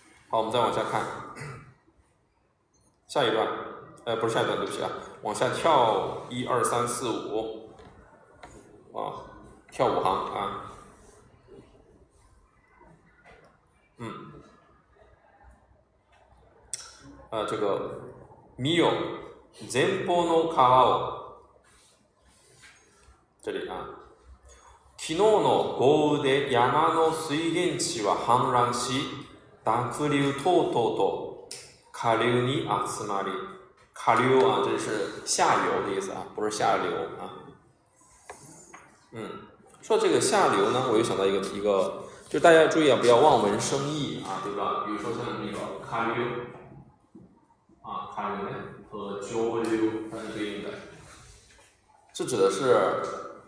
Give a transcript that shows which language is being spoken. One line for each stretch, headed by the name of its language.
Chinese: 好，我们再往下看，下一段，不是下一段，对不起啊，往下跳一二三四五，啊，跳五行啊，嗯，这个 Mio
Japanese: 前方の川を。
Chinese: 这里啊，
Japanese: 昨日の豪雨で山の水源地は氾濫し、濁流等々と下流に集まり。
Chinese: 下流啊，这是下游的意思啊，不是下流啊。嗯，说这个下流呢，我又想到一个，就大家注意啊，不要望文生义啊，对吧？比如说像那个下流啊，下流呢和交流它是对应的，这指的是。